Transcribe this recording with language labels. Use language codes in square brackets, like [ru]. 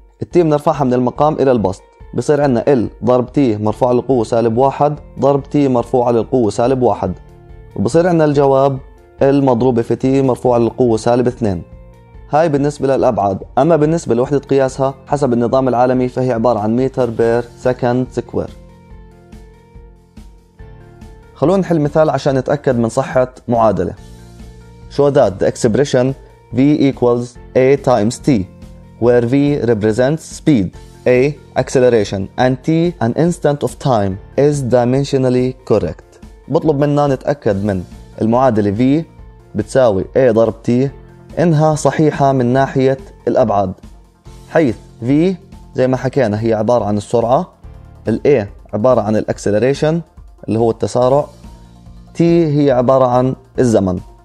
[ar] التي بنرفعها من المقام إلى البسط، بصير عندنا L ضرب T مرفوعة للقوة سالب 1 ضرب T مرفوعة للقوة سالب 1، وبصير عندنا الجواب L مضروبة في T مرفوعة للقوة سالب 2. هاي بالنسبة للأبعاد. أما بالنسبة لوحدة قياسها حسب النظام العالمي فهي عبارة عن متر بير سكند سكوير. خلونا نحل مثال عشان نتأكد من صحة معادلة. [en] Show that the expression V equals A times T, where V represents speed, A acceleration, and T an instant of time, is dimensionally correct. [ar] بطلب منا نتأكد من المعادلة V بتساوي A ضرب T إنها صحيحة من ناحية الأبعاد، حيث V زي ما حكينا هي عبارة عن السرعة، الـ A عبارة عن الـ acceleration اللي هو التسارع، T هي عبارة عن الزمن.